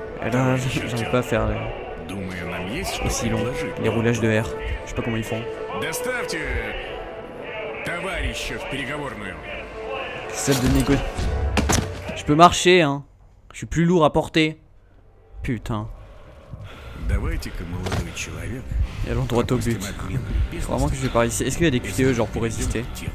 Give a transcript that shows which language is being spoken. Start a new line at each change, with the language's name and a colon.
French: Là, j'arrive pas à faire aussi long les roulages de R. Je sais pas comment ils font.
Russian: Доставьте товарища в переговорную.
French: Celle de négo. Je peux marcher, hein. Je suis plus lourd à porter. Putain.
Russian: Давайте-ка, молодой человек.
French: Et allons droit au but. Vraiment que je vais pas résister. Est-ce qu'il y a des QTE genre pour résister?